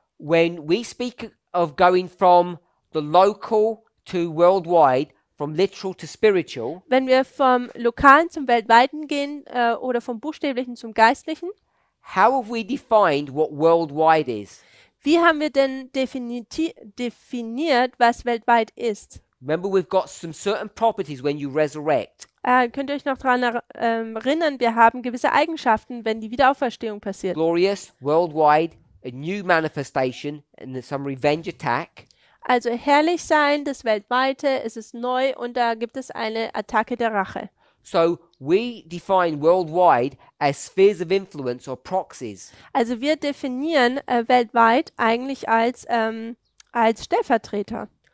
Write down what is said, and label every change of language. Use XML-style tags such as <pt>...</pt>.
<en>when we speak of going from the local to worldwide, from literal to spiritual.</en> <de>Wenn wir vom Lokalen zum Weltweiten gehen oder vom Buchstäblichen zum Geistlichen.</de> <en>How have we defined what worldwide is?</en> <de>Wie haben wir denn definiert, was weltweit ist?</de> <en>Remember, we've got some certain properties when you resurrect.</en> <de>Könnt ihr euch noch daran erinnern, wir haben gewisse Eigenschaften, wenn die Wiederauferstehung passiert.</de> <en>Glorious, worldwide, a new manifestation, and some revenge attack.</en> <de>Also herrlich sein, das Weltweite, es ist neu und da gibt es eine Attacke der Rache.</de> <en>So we define worldwide as spheres of influence or proxies.</en> <de>Also wir definieren weltweit eigentlich als als Stellvertreter.</de>